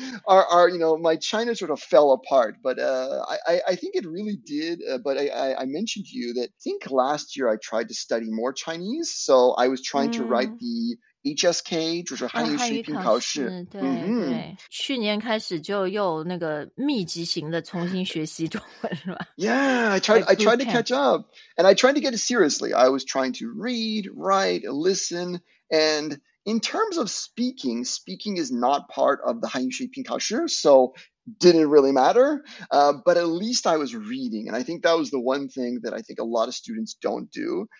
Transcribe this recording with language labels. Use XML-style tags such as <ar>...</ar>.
<en>Are you know, my China sort of fell apart, but I think it really did. But I mentioned to you that I think last year I tried to study more Chinese, so I was trying to write the HSK,</en> <zh>就是汉语水平考试。对，去年开始就又那个密集型的重新学习中文，是吧？</zh> <en>Yeah, I tried to catch up, and I tried to get it seriously. I was trying to read, write, listen, and in terms of speaking, speaking is not part of the 汉语水平考试, so didn't really matter. But at least I was reading, and I think that was the one thing that I think a lot of students don't do.</en>